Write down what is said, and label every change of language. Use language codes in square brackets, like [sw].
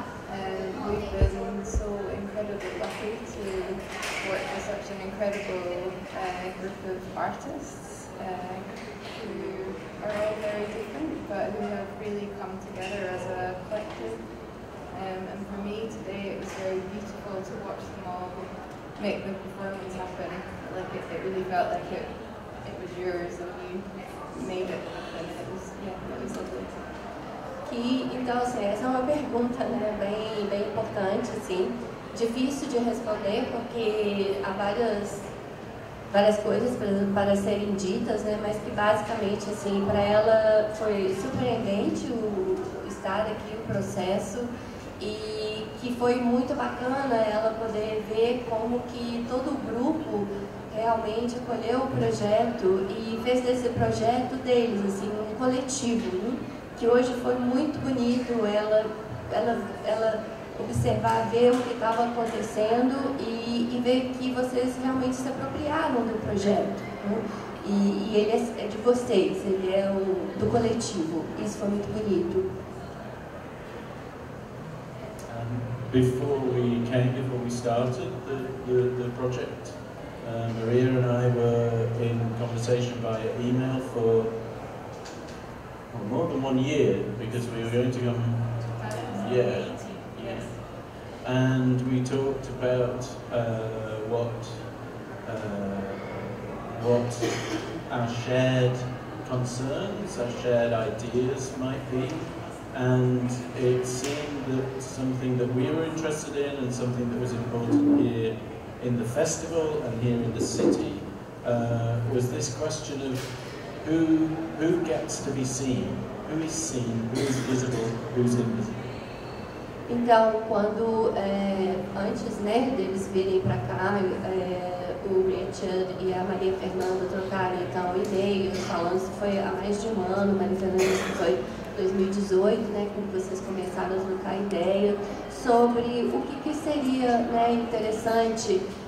[en] And we've been so incredibly lucky to work with such an incredible group of artists who are all very different, but who have really come together as a collective. And for me today, it was very beautiful to watch them all make the performance happen. Like it really felt like it was yours and you made it happen. It was lovely. [pt] Que, então, assim, essa é uma pergunta, né, bem importante, assim, difícil de responder, porque há várias coisas para serem ditas, né, mas que basicamente, assim, para ela foi surpreendente o estar aqui, o processo, e que foi muito bacana ela poder ver como que todo o grupo realmente acolheu o projeto e fez desse projeto deles, assim, um coletivo, né? Que hoje foi muito bonito ela observar, ver o que estava acontecendo e ver que vocês realmente se apropriaram do projeto, né? E ele é de vocês, ele é do coletivo. Isso foi muito bonito. [en] Before we came, before we started the project, Maria and I were in conversation via email for more than 1 year, because we were going to come, yes. And we talked about what our shared concerns, our shared ideas might be, and it seemed that something that we were interested in and something that was important here in the festival and here in the city was this question of who gets to be seen? Who is seen? Who is visible? Who's invisible? [pt] Então, quando antes, né, deles virem para cá, o Richard e a Maria Fernanda trocaram então e-mails falando que foi há mais de um ano, Maria Fernanda, que foi 2018, né, quando vocês começaram a trocar ideia sobre o que seria, né, interessante.